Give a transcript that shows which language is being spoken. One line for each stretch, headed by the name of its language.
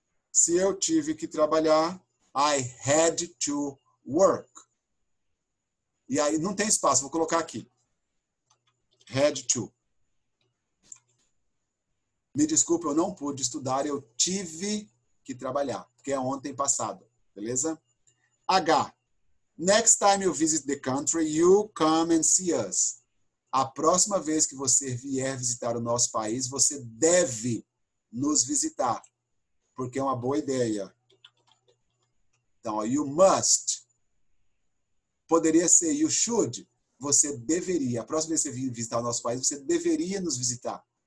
Portuguese: Se eu tive que trabalhar,
English: I had to work.
Portuguese: E aí, não tem espaço, vou colocar aqui. Had to. Me desculpe, eu não pude estudar, eu tive que trabalhar. Porque é ontem passado, beleza? H.
English: Next time you visit the country, you come and see us.
Portuguese: A próxima vez que você vier visitar o nosso país, você deve nos visitar. Porque é uma boa ideia. Então, you must. Poderia ser you should. Você deveria. A próxima vez que você vier visitar o nosso país, você deveria nos visitar.